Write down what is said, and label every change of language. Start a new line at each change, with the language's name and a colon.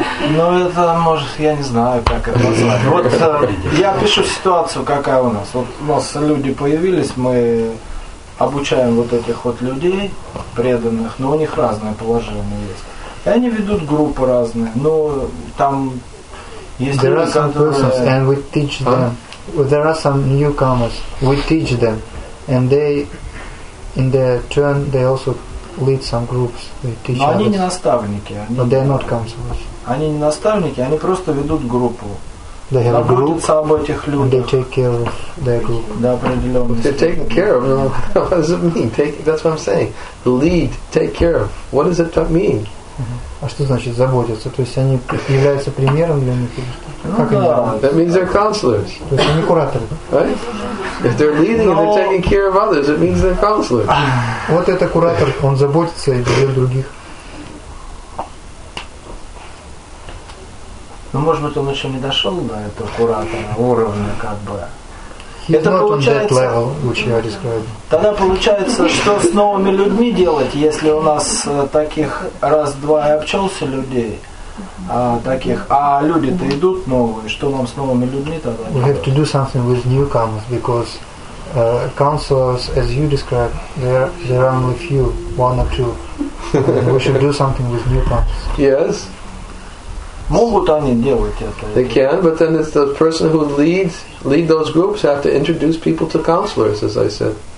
Russian: Ну, это, может, я не знаю, как это назвать. Вот я пишу ситуацию, какая у нас. Вот у нас люди появились, мы обучаем вот этих вот людей преданных, но у них разное положение есть. И они ведут группы разные, но там... Есть
English: there are some persons, and we teach them. Huh? There are some newcomers. We teach them, and they, in their turn, they also lead some groups. They teach
Russian: Но
English: others.
Russian: Они не наставники. Они
English: But they are not counselors.
Russian: Они не наставники. Они просто ведут группу.
English: They have a group.
Russian: Об этих людях.
English: They take care of their group.
Russian: Да, определенно.
English: They're taking care of. What does it mean? Take. That's what I'm saying. Lead. Take care of. What does it mean?
Russian: А что значит заботиться? То есть они являются примером для них или что? Ну как да.
English: That means they're counselors.
Russian: То есть они кураторы.
English: Right? If they're leading and they're taking care of others, it means they're counselors.
Russian: Вот это куратор, он заботится и берет других. Ну может быть он еще не дошел до этого куратора уровня как бы.
English: He's
Russian: это
English: not
Russian: получается.
English: Level,
Russian: тогда получается, что с новыми людьми делать, если у нас таких раз-два и обчелся людей, таких, а люди-то идут новые. Что нам с новыми людьми тогда?
English: We have to do something with newcomers because counselors, as you described, there are only few, one or two. And we should do something with newcomers. Yes.
Russian: Могут они делать это?
English: They can, but then it's the person who leads those groups have to introduce people to counselors, as I said.